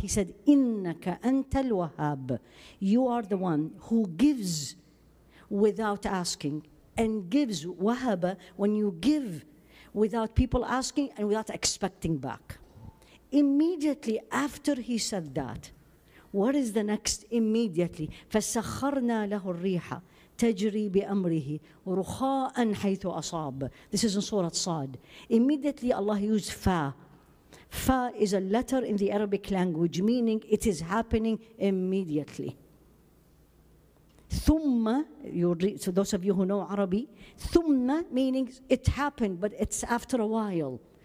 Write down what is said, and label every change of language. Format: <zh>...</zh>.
<en>He said, innaka antal wahhab. You are the one who gives without asking and gives wahaba when you give without people asking and without expecting back. Immediately after he said that, what is the next?</en> <ar>Immediately, فَسَخَّرْنَا لَهُ الرِّيحَ تَجْرِي بِأَمْرِهِ رُخَاءً حَيْثُ أَصَابَ.</ar> <en>This is in Surah Sad. Immediately Allah used fa. Fa is a letter in the Arabic language, meaning it is happening immediately. ثُمَّ, you read, so those of you who know Arabic, ثُمَّ meaning it happened, but it's after a while.</en>